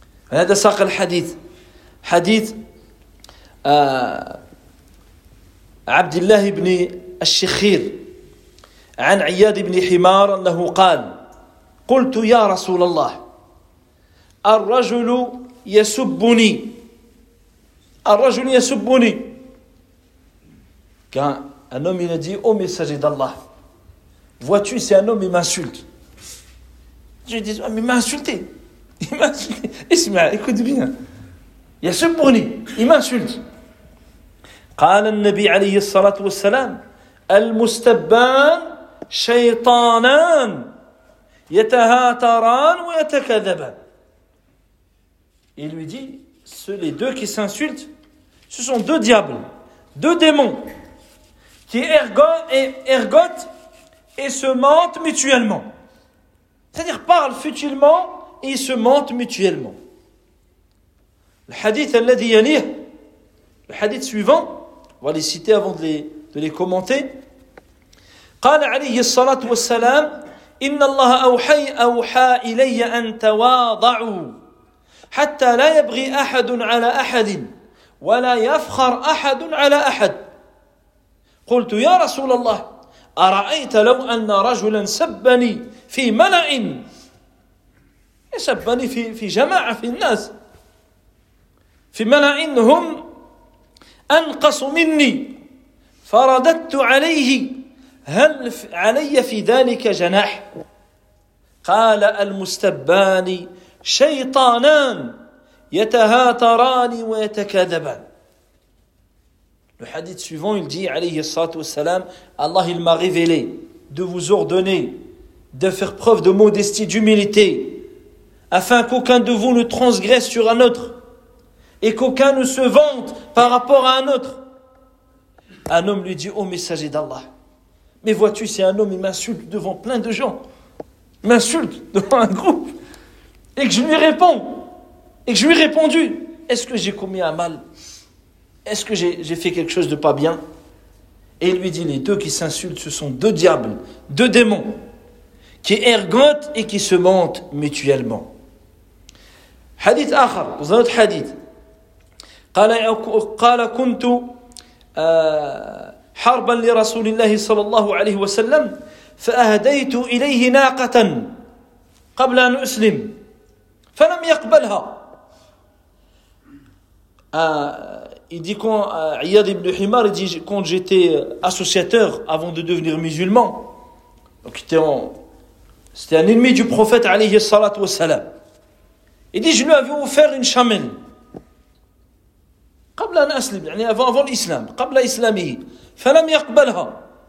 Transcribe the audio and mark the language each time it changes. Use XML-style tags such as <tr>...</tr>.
<ar>Hada saq al-hadith. Hadith Abdillah ibn al-Shikhir an Iyad ibn Himar annahu qal قلت يا رسول الله الرجل يسبني كان</ar> <fr>un homme il a dit au messager d'Allah, vois-tu, c'est un homme, il m'insulte. Je dis, oh, mais il m'a insulté. Isma, écoute bien, يسبني, il m'insulte.</fr> <ar>قال النبي عليه الصلاة والسلام المستبان شيطانان يتهاتران ويتكذبان.</ar> <fr>Il lui dit, ceux les deux qui s'insultent, ce sont deux diables, deux démons qui ergotent et se mentent mutuellement. C'est-à-dire parlent futilement et se mentent mutuellement. Le hadith</fr> <ar>الذي يليه,</ar> <fr>le hadith suivant, on va les citer avant de les commenter.</fr> <ar>قال عليه الصلاة والسلام إن الله أوحى إلي أن تواضعوا حتى لا يبغي أحد على أحد ولا يفخر أحد على أحد. قلت يا رسول الله أرأيت لو أن رجلا سبني في ملأ, سبني في جماعة في الناس, في ملأ هم أنقص مني, فرددت عليه هل علي في ذلك جناح؟ قال المستبان شيطانان يتهاتران ويتكذبان.</ar> <fr>Le hadith suivant, il dit, alayhi salatu wassalam, Allah il m'a révélé de vous ordonner de faire preuve de modestie, d'humilité, afin qu'aucun de vous ne transgresse sur un autre et qu'aucun ne se vante par rapport à un autre. Un homme lui dit, ô messager d'Allah, mais vois-tu, c'est un homme, il m'insulte devant plein de gens, il m'insulte devant un groupe, et que je lui réponds, et que je lui ai répondu, est-ce que j'ai commis un mal? Est-ce que j'ai fait quelque chose de pas bien? Et il lui dit, les deux qui s'insultent, ce sont deux diables, deux démons, qui ergotent et qui se mentent mutuellement.</fr> <ar>Hadith akhar,</ar> <fr>dans un autre hadith,</fr> <ar>قال كنت حربا لرسول الله صلى الله عليه وسلم فأهديت إليه ناقة قبل أن أسلم فلم يقبلها.</ar> <fr>Il dit quand Iyad ibn Himar, il dit quand j'étais associateur avant de devenir musulman, donc c'était un ennemi du prophète alayhi salatu wassalam. Il dit je lui avais offert une chamelle. Avant l'islam,</fr> <ar>qabla islamihi, falam yaqbalha.</ar>